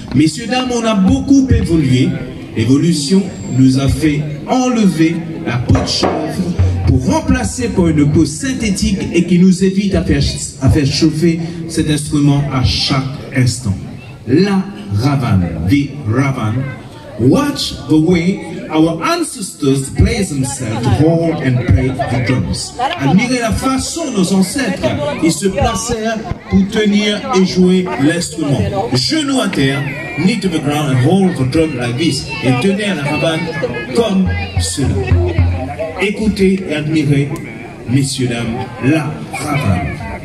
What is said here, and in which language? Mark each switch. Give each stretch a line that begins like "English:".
French: Messieurs, dames, on a beaucoup évolué. L'évolution nous a fait enlever la peau de chèvre pour remplacer par une peau synthétique et qui nous évite à faire chauffer cet instrument à chaque instant. La ravane,
English: the ravane. Watch the way our ancestors place themselves to hold and play the drums.
French: Admirez la façon nos ancêtres, ils se placèrent pour tenir et jouer l'instrument. Genoux à terre,
English: knee to the ground and hold the drum like this.
French: Et tenez la rabanne comme cela. Écoutez et admirez, messieurs, dames, la rabanne.